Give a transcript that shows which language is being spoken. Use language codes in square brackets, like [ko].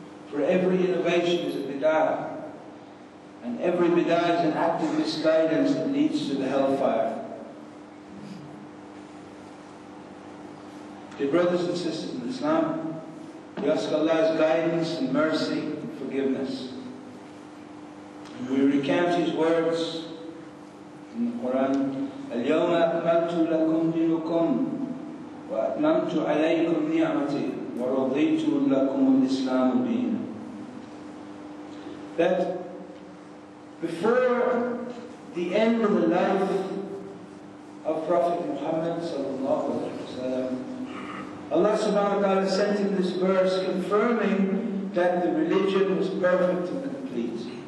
[en] For every innovation is a bid'ah. And every bid'ah is an act of misguidance that leads to the hellfire. Dear brothers and sisters in Islam, we ask Allah's guidance and mercy and forgiveness. And we recount His words in the Quran, [ar] الْيَوْمَ أَكْمَلْتُ لَكُمْ دِينُكُمْ وَأَتْمَمْتُ عَلَيْكُمْ نِعْمَتِي وَرَضِيتُ لَكُمْ الْإِسْلَامُ دِينًا. [en] That before the end of the life of Prophet Muhammad sallallahu alaihi wasallam, Allah subhanahu wa ta'ala sent him this verse confirming that the religion was perfect and complete.